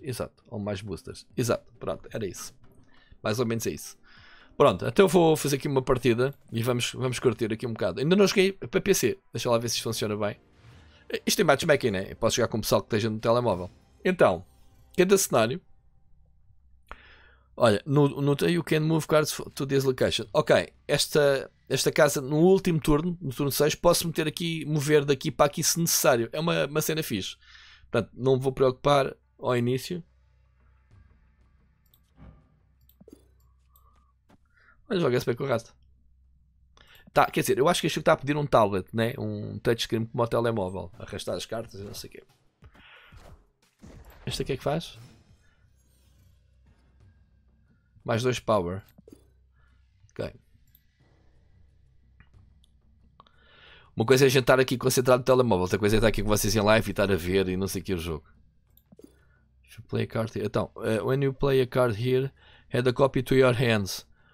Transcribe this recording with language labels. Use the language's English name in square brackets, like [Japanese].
[Portuguese] Exato. Ou mais boosters. Exato. Pronto, era isso. Mais ou menos é isso. Pronto, até eu vou fazer aqui uma partida e vamos curtir aqui um bocado. Ainda não cheguei para PC, deixa lá ver se isto funciona bem. Isto tem matchmaking, né? Eu posso jogar com o pessoal que esteja no telemóvel. Então, cada cenário. [English] Olha, no you can move cards to this location. [Portuguese] Ok, esta casa no último turno, no turno 6, posso meter aqui, mover daqui para aqui se necessário. É uma cena fixe. Portanto, não me vou preocupar ao início. Joga SP com o rato. Tá, quer dizer, eu acho que este está a pedir um tablet, né? Um touchscreen como o telemóvel. Arrastar as cartas e não sei o quê. Este aqui é que faz? Mais dois power. Ok. Uma coisa é a gente estar aqui concentrado no telemóvel, outra coisa é estar aqui com vocês em live e estar a ver e não sei o que o jogo. Deixa eu [English] play a card here. Então, when you play a card here, add a copy to your hands.